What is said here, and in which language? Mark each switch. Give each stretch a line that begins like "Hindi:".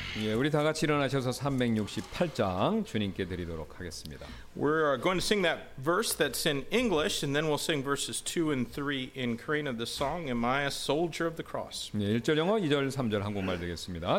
Korean: 예, 우리 다 같이 일어나셔서 368장 주님께 드리도록 하겠습니다.
English: We're going to sing that verse that's in English and then we'll sing verses 2 and 3 in Korean of the song Am I a Soldier of the Cross.
Korean: 예, 1절 영어, 2절, 3절 한국말 되겠습니다.